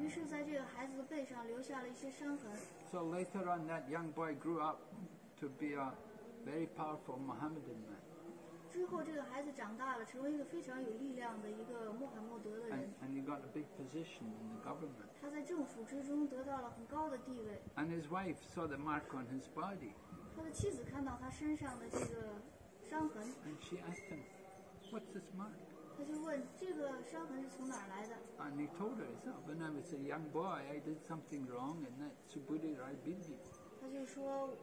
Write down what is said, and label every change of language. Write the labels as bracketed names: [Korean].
[Chinese] 于是在这个孩子的背上留下了一些伤痕。 [English] So later on, that young boy grew up to be a very powerful Mohammedan man. [Chinese] 之后这个孩子长大了，成为一个非常有力量的一个穆罕默德的人。 [English] And he got a big position in the government. [Chinese] 他在政府之中得到了很高的地位。 [English] And his wife saw the mark on his body. [Chinese] 他的妻子看到他身上的这个伤痕。 [English] And she asked him, "What's this mark?" [Chinese] 他就问, [English] and he told her, so when I was a young boy, I did something wrong and that Subhuti Rai beat me.